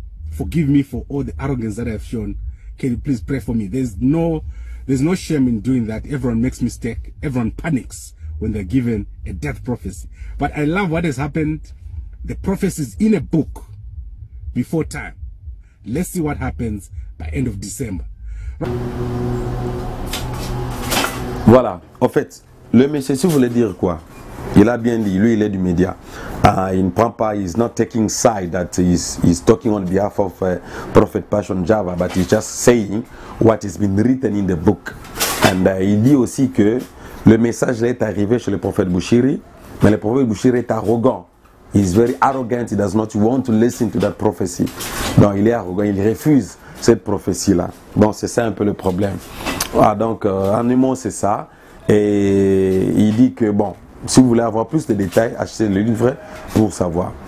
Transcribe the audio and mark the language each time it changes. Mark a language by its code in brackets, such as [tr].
[en] Forgive me for all the arrogance that I have shown. Can you please pray for me? There's no shame in doing that. Everyone makes mistakes. Everyone panics when they're given a death prophecy. But I love what has happened. The prophecy is in a book before time. Let's see what happens by end of December. [fr] Voilà. En fait, le message, si vous voulez dire quoi? Il a bien dit, lui, il est du média. Il ne prend pas, [en] he's not taking side that he's talking on behalf of Prophet Passion Java, but he's just saying what has been written in the book. [fr] And il dit aussi que le message est arrivé chez le prophète Bushiri, mais le prophète Bushiri est arrogant. [en] He's very arrogant, he does not want to listen to that prophecy. [fr] Donc il est arrogant, il refuse cette prophétie-là. Bon, c'est ça un peu le problème. Ah, donc, en un mot, c'est ça. Et il dit que, bon, si vous voulez avoir plus de détails, achetez le livre pour savoir.